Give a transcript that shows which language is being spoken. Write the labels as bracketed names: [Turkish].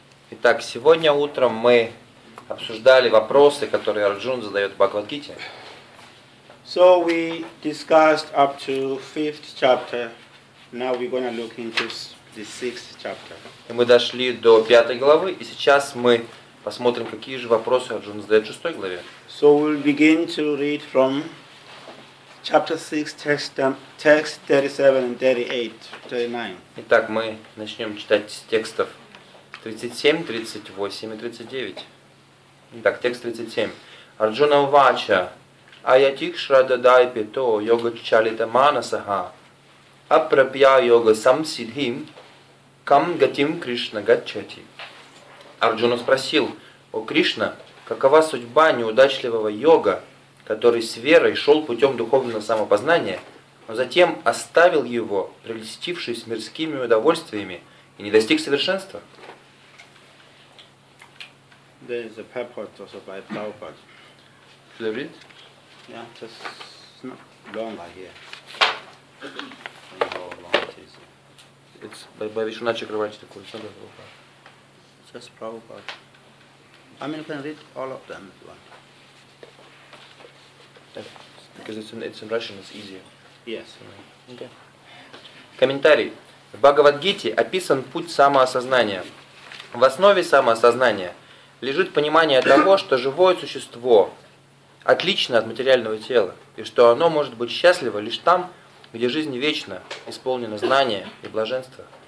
[Russian] Итак, сегодня утром мы обсуждали вопросы, которые Арджун задает Бхагавад-гите. [English] So we discussed up to fifth chapter. Now we're going to look into the sixth chapter. [Russian] И мы дошли до пятой главы, и сейчас мы посмотрим, какие же вопросы Арджун задает в шестой главе. [English] So we'll begin to read from chapter 6, text 37 and 38, 39. [Russian] Итак, мы начнем читать с текстов 37, 38 и 39. Итак, текст 37. [Sanskrit] Арджуна Увача. Аятикшра дадай пито йога чалита манасаха. Апрапья йога сам сидхим. Кам гатим Кришна гатчати. [Russian] Арджуна спросил: о Кришна, какова судьба неудачливого йога, который с верой шел путем духовного самопознания, но затем оставил его, прельстившись мирскими удовольствиями, и не достиг совершенства? [English] There is a purport also by Prabhupada. Should I read? Yeah, just not long like here. Don't know how long it is. It's by Vishwanath Chakravarti, it's not by Prabhupada. It's just Prabhupada. I mean, you can read all of them if you want. Because it's in Russian, it's easier. Yes. [Russian] Okay. Комментарий. В Бхагавад-гите описан путь самоосознания. В основе самоосознания лежит понимание того, что живое существо отлично от материального тела, и что оно может быть счастливо лишь там, где жизнь вечна, исполнена знания и блаженства.